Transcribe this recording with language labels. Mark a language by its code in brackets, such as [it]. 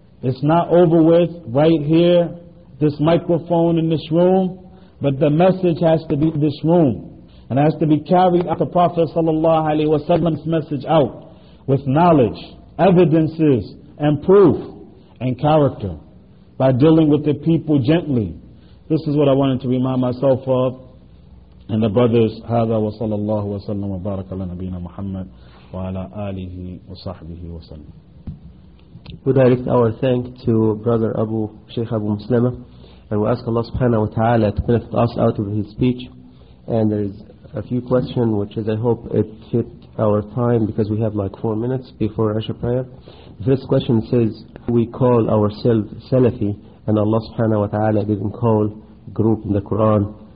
[en] It's not over with right here, this microphone in this room, but the message has to be this room. And it has to be carried out the Prophet sallallahu alaihi wasallam's message out with knowledge, evidences, and proof, and character by dealing with the people gently. This is what I wanted to remind myself of. And the brothers, [ar] هذا وصلى الله وسلم وبارك على نبينا محمد وعلى آله وصحبه وسلم. [en] We direct our thanks to Brother Abu Sheikh Abu Muslima, and we ask Allah Subhanahu wa Taala to benefit us out of his speech. And there is a few questions, which is I hope it fit our time because we have like 4 minutes before Isha prayer. This question says we call ourselves Salafi, and Allah Subhanahu wa Taala didn't call group in the Quran.